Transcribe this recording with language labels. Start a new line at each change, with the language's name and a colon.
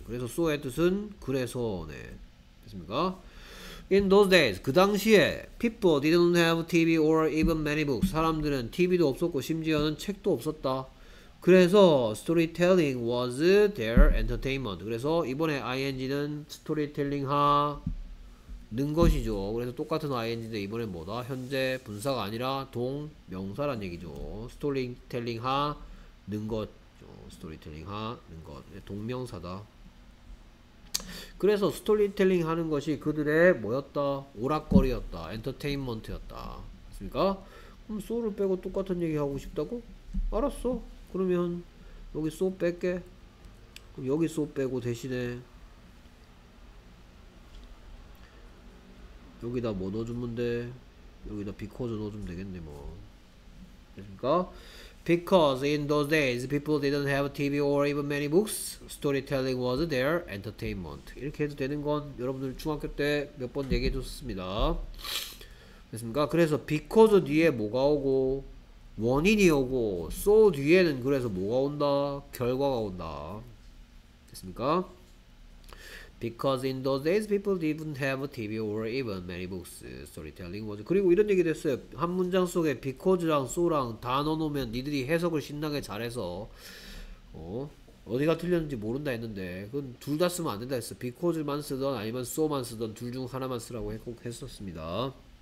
Korean: 그래서 so의 뜻은 그래서네. 됐습니까?
English: In those days,
Korean: 그 당시에
English: people didn't have TV or even many books.
Korean: 사람들은 TV도 없었고 심지어는 책도 없었다. 그래서
English: storytelling was their entertainment.
Korean: 그래서 이번에 ing는 스토리텔링하는 것이죠. 그래서 똑같은 ing인데 이번엔 뭐다? 현재 분사가 아니라 동 명사란 얘기죠. 스토리텔링하는 것. 스토리텔링 하는 것 동명사다. 그래서 스토리텔링 하는 것이 그들의 뭐였다? 오락거리였다. 엔터테인먼트였다. 그러니까 그럼 소를 빼고 똑같은 얘기 하고 싶다고? 알았어. 그러면 여기 소 뺄게. 그럼 여기 소 빼고 대신에 여기다 뭐 넣어주면 돼? 여기다 because 넣어주면 되겠네 뭐. 그러니까.
English: Because in those days people didn't have TV or even many books, storytelling was their entertainment.
Korean: 이렇게 해도 되는 건 여러분들 중학교 때몇번 얘기해 줬습니다. 됐습니까? 그래서 because 뒤에 뭐가 오고, 원인이 오고, so 뒤에는 그래서 뭐가 온다? 결과가 온다. 됐습니까?
English: Because in those days people didn't have TV or even many books, storytelling was.
Korean: 그리고 이런 얘기 됐어요. 한 문장 속에 because랑 so랑 다 넣어놓으면 니들이 해석을 신나게 잘해서 어디가 틀렸는지 모른다 했는데 그건 둘다 쓰면 안 된다 했어. because만 쓰던 아니면 so만 쓰던 둘중 하나만 쓰라고 꼭 했었습니다.